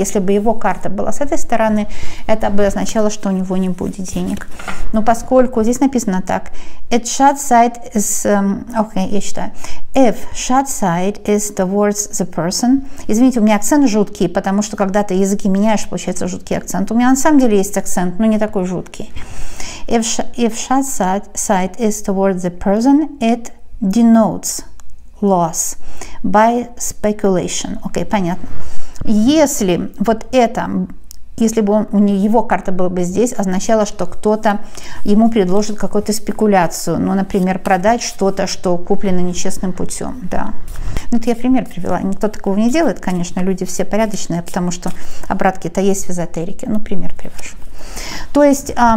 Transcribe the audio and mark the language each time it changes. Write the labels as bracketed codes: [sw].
[ru] Если бы его карта была с этой стороны, это бы означало, что у него не будет денег. Но поскольку здесь написано так, [en] it shut side is, okay, [ru] я считаю, [en] if shut side is towards the person, [ru] извините, у меня акцент жуткий, потому что когда ты языки меняешь, получается жуткий акцент. У меня на самом деле есть акцент, но не такой жуткий. [en] If shut side is towards the person, it denotes loss by speculation. [ru] Окей, понятно. Если вот это, если бы его карта была бы здесь, означало, что кто-то ему предложит какую-то спекуляцию. Ну, например, продать что-то, что куплено нечестным путем. Да. Ну, это я пример привела. Никто такого не делает, конечно, люди все порядочные, потому что обратки-то есть в эзотерике. Ну, пример привожу. То есть...